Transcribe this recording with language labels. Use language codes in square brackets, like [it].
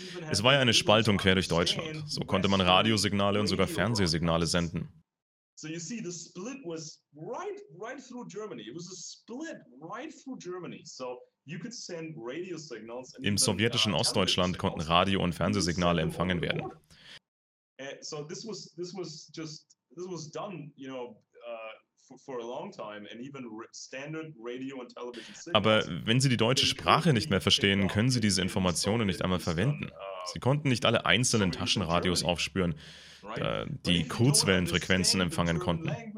[de] es war ja eine Spaltung quer durch Deutschland. So konnte man Radiosignale und sogar Fernsehsignale senden. [en] So you see, the split was right through Germany. It was a split right through Germany. So you could send radio signals. [de] Im sowjetischen Ostdeutschland konnten Radio- und Fernsehsignale empfangen werden. [en] So this was done, you know, for a long time, and even standard radio and television signals. [de] Aber wenn Sie die deutsche Sprache nicht mehr verstehen, können Sie diese Informationen nicht einmal verwenden. Sie konnten nicht alle einzelnen Taschenradios aufspüren, die Kurzwellenfrequenzen empfangen konnten.